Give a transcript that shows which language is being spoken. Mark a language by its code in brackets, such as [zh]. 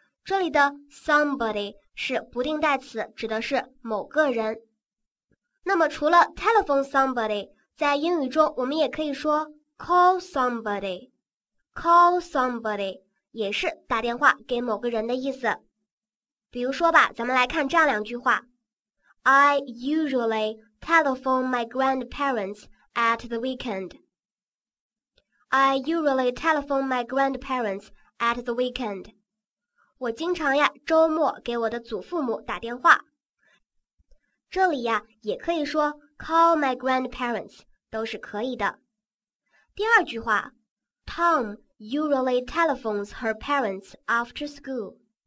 [zh] 这里的 somebody 是不定代词，指的是某个人。那么除了 telephone somebody, 在英语中我们也可以说 call somebody, call somebody 也是打电话给某个人的意思。比如说吧，咱们来看这样两句话。 [en] I usually telephone my grandparents at the weekend. I usually telephone my grandparents at the weekend. [zh] 我经常呀，周末给我的祖父母打电话。这里呀，也可以说 [en] call my grandparents, [zh] 都是可以的。第二句话， [en] Tom usually telephones her parents after school.